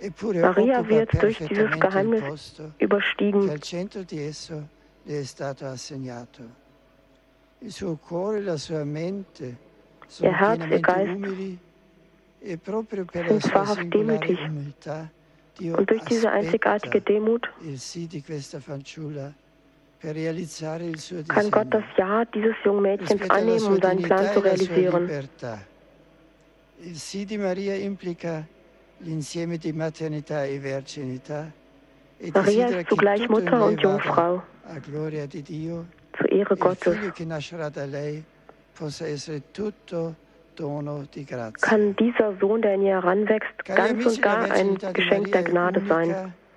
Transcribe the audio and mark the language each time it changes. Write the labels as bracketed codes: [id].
[de] Maria wird durch dieses Geheimnis überstiegen. [it] Che al centro di esso le è stato assegnato. Il suo cuore, la sua mente. [de] Ihr Herz, ihr Geist sind wahrhaft demütig. Und durch diese einzigartige Demut kann Gott das Ja dieses jungen Mädchens annehmen, um seinen Plan zu realisieren. [it] Il sì di Maria implica l'insieme di maternità e verginità. [de] Maria ist zugleich Mutter und Jungfrau. [it] A gloria di Dio. [de] Zu Ehre Gottes. Kann dieser Sohn, der in ihr heranwächst, ganz und gar ein Geschenk der Gnade sein.